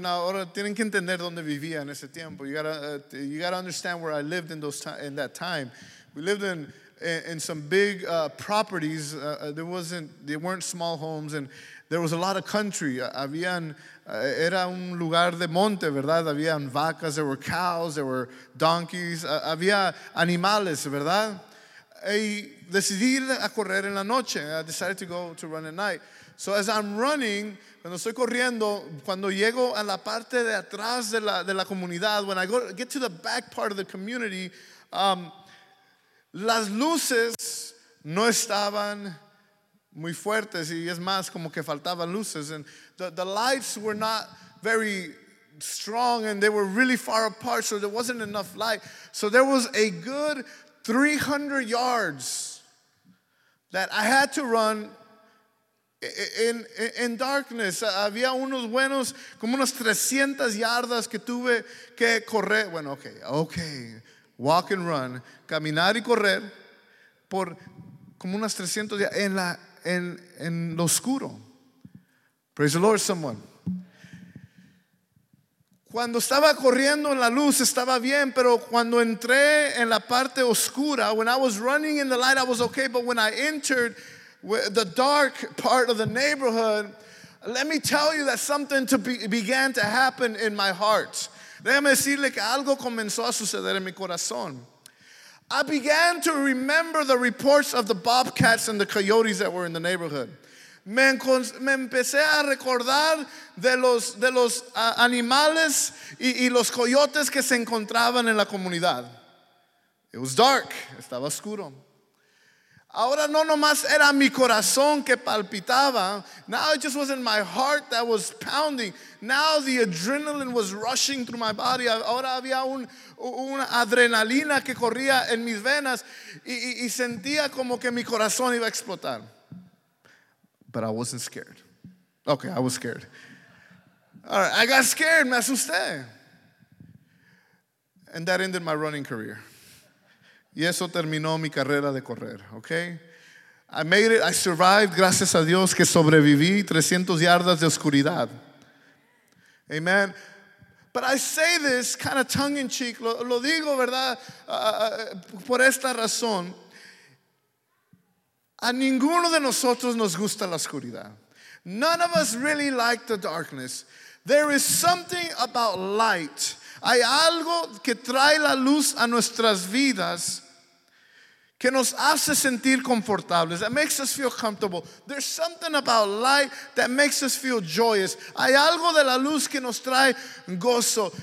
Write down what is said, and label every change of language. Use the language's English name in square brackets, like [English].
[Spanish] Now, ahora tienen que entender dónde vivía en ese tiempo. [English] You gotta understand where I lived in that time. We lived in some big properties. They weren't small homes, and there was a lot of country. [Spanish] Era un lugar de monte, ¿verdad? Habían vacas, [English] there were cows, there were donkeys, [Spanish] había animales, ¿verdad? Y decidí ir a correr en la noche. [English] I decided to go to run at night. So as I'm running, [Spanish] cuando estoy corriendo, cuando llego a la parte de atrás de la comunidad, [English] when I get to the back part of the community, [Spanish] las luces no estaban muy fuertes, y es más, como que faltaban luces. [English] And the lights were not very strong, and they were really far apart, so there wasn't enough light. So there was a good 300 yards that I had to run en darkness. [Spanish] Había unos buenos, como unas 300 yardas que tuve que correr. Bueno, okay. [English] Walk and run. [Spanish] Caminar y correr por como unas 300 yardas en lo oscuro. [English] Praise the Lord, someone. [Spanish] Cuando estaba corriendo en la luz estaba bien, pero cuando entré en la parte oscura, [English] when I was running in the light, I was okay. But when I entered the dark part of the neighborhood, let me tell you that something began to happen in my heart. [Spanish] Déjame decirle que algo comenzó a suceder en mi corazón. [English] I began to remember the reports of the bobcats and the coyotes that were in the neighborhood. [Spanish] Me empecé a recordar de los animales y los coyotes que se encontraban en la comunidad. [English] It was dark, [Spanish] estaba oscuro. Ahora no nomás era mi corazón que palpitaba. [English] Now it just wasn't my heart that was pounding. Now the adrenaline was rushing through my body. [Spanish] Ahora había una adrenalina que corría en mis venas y sentía como que mi corazón iba a explotar. [English] But I wasn't scared. Okay, I was scared. All right, I got scared, [Spanish] me asusté. [English] And that ended my running career. [Spanish] Y eso terminó mi carrera de correr, okay? [English] I made it, I survived, [Spanish] gracias a Dios que sobreviví 300 yardas de oscuridad. [English] Amen. But I say this kind of tongue in cheek, [Spanish] lo digo, ¿verdad? Por esta razón. A ninguno de nosotros nos gusta la oscuridad. [English] None of us really like the darkness. There is something about light. [Spanish] Hay algo que trae la luz a nuestras vidas que nos hace sentir confortables, [English] that makes us feel comfortable. There's something about light that makes us feel joyous. [Spanish] Hay algo de la luz que nos trae gozo.